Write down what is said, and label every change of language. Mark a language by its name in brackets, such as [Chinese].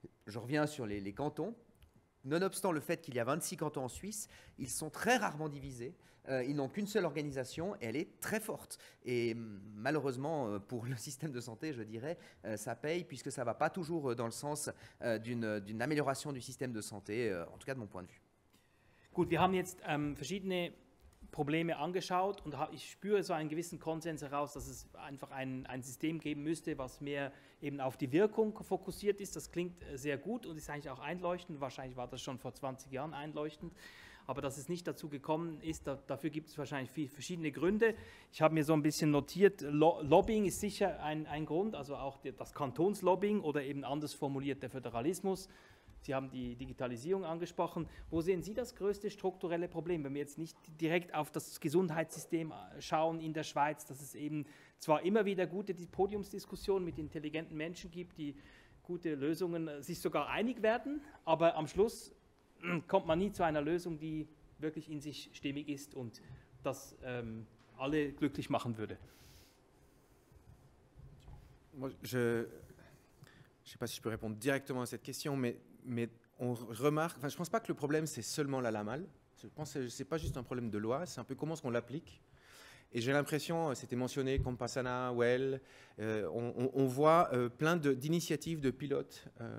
[French] Je reviens sur les cantons. Nonobstant le fait qu'il y a 26 cantons en Suisse, ils sont très rarement divisés. Ils n'ont qu'une seule organisation et elle est très forte. Et malheureusement, pour le système de santé, je dirais, ça paye puisque ça ne va pas toujours dans le sens d'une amélioration du système de santé, en tout cas de mon point de vue. [German] Gut, wir haben jetzt verschiedene Probleme angeschaut und ich spüre so einen gewissen Konsens heraus, dass es einfach ein System geben müsste, was mehr eben auf die Wirkung fokussiert ist. Das klingt sehr gut und ist eigentlich auch einleuchtend. Wahrscheinlich war das schon vor 20 Jahren einleuchtend, aber dass es nicht dazu gekommen ist, dafür gibt es wahrscheinlich viele verschiedene Gründe. Ich habe mir so ein bisschen notiert, Lobbying ist sicher ein Grund, also auch das Kantonslobbying oder eben anders formuliert der Föderalismus. Sie haben die Digitalisierung angesprochen. Wo sehen Sie das größte strukturelle Problem, wenn wir jetzt nicht direkt auf das Gesundheitssystem schauen in der Schweiz, dass es eben zwar immer wieder gute Podiumsdiskussionen mit intelligenten Menschen gibt, die gute Lösungen sich sogar einig werden, aber am Schluss kommt man nie zu einer Lösung, die wirklich in sich stimmig ist und das alle glücklich machen würde. [French] Je sais pas si je peux répondre directement à cette question, mais on remarque, enfin, je pense pas que le problème c'est seulement la LAMAL. Je pense que c'est pas juste un problème de loi, c'est un peu comment est-ce qu'on l'applique. Et j'ai l'impression, c'était mentionné, Compassana, Well, on voit plein d'initiatives de pilotes.